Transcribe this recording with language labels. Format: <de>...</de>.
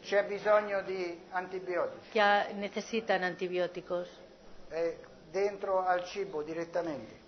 <it>C'è bisogno di antibiotici.</it> <es>Que necesitan antibióticos.</es> <it>Dentro al cibo direttamente.</it>